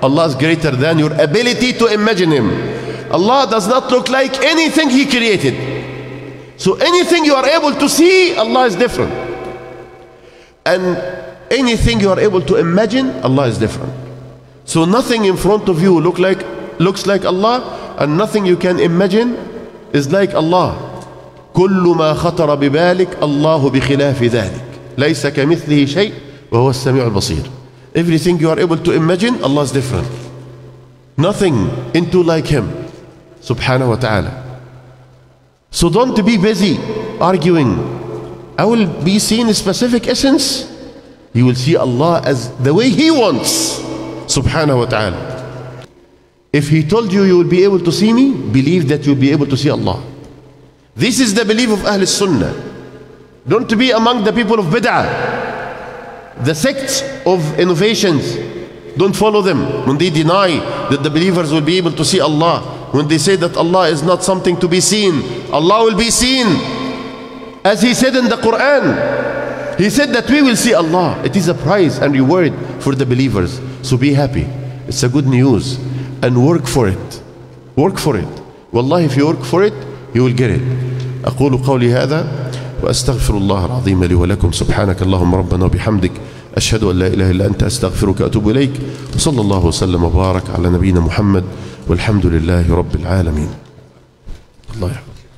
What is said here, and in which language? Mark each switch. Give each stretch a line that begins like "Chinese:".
English: Allah is greater than your ability to imagine Him. Allah does not look like anything He created. So anything you are able to see, Allah is different. And anything you are able to imagine, Allah is different. So nothing in front of you looks like Allah, and nothing you can imagine is like Allah.
Arabic: كل ما خطر ببالك الله بخلاف ذلك ليس كمثله شيء وهو السميع البصير.
English: Everything you are able to imagine, Allah is different. Nothing into like Him. Subhanahu wa ta'ala. So don't be busy arguing. I will be seen a specific essence. You will see Allah as the way He wants. Subhanahu wa ta'ala. If He told you will be able to see me, believe that you'll be able to see Allah. This is the belief of Ahl Sunnah. Don't be among the people of Bid'ah, the sects of innovations. Don't follow them when they deny that the believers will be able to see Allah. When they say that Allah is not something to be seen, Allah will be seen. As He said in the Quran, He said that we will see Allah. It is a prize and reward for the believers. So be happy. It's a good news. And work for it. Work for it. Wallahi, if you work for it, you will get it.
Arabic: أقول قولي هذا وأستغفر الله العظيم لي ولكم. سبحانك اللهم ربنا وبحمدك. أشهد أن لا إله إلا أنت أستغفرك أتوب إليك. صلى الله وسلم وبارك على نبينا محمد. والحمد لله رب العالمين. الله يحفظك.